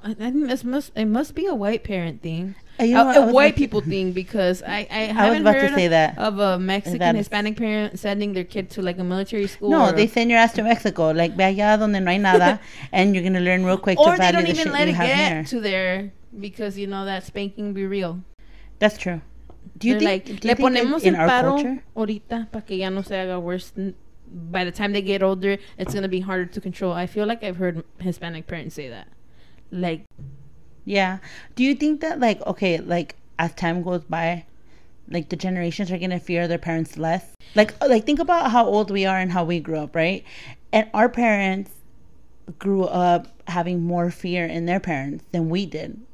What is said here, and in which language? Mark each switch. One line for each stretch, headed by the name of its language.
English: I think it must be a white parent thing. You know, a white people thing, because I haven't heard of a Mexican Hispanic parent sending their kid to, like, a military school. No, they send your ass to Mexico, like,
Spanish: vaya donde no hay nada,
English: and you're going to learn real quick to value the shit you have here. Or they don't even let it get to there, because, you know, that spanking be real. That's true. Do you think in our culture?
Spanish: Ahorita, para que ya no se haga worse.
English: By the time they get older, it's going to be harder to control. I feel like I've heard Hispanic parents say that. Like, yeah. Do you think that, like, okay, like, as time goes by, like, the generations are going to fear their parents less? Like, think about how old we are and how we grew up, right? And our parents grew up having more fear in their parents than we did.